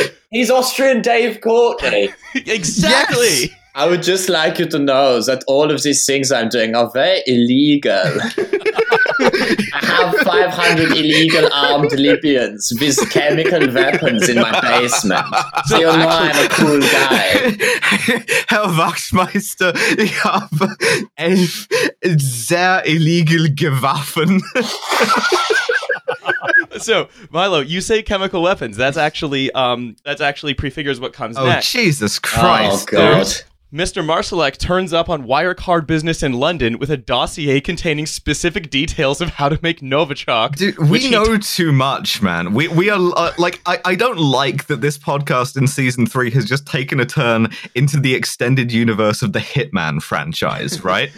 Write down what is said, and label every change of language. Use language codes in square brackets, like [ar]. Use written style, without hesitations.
[en] He's Austrian Dave Courtney. Exactly. Yes! I would just like you to know that all of these things I'm doing are very illegal. I have 500 illegal armed Libyans with chemical weapons in my basement. So you know I'm a cool guy. [de] Herr Wachtmeister, ich habe sehr illegal Gewaffen. [en] So, Milo, you say chemical weapons. That's actually prefigures what comes next. Oh, Jesus Christ. Oh, God. Dude. Mr. Marsalek turns up on Wirecard business in London with a dossier containing specific details of how to make Novichok. Dude, we know too much, man. I don't like that this podcast in season three has just taken a turn into the extended universe of the Hitman franchise, right?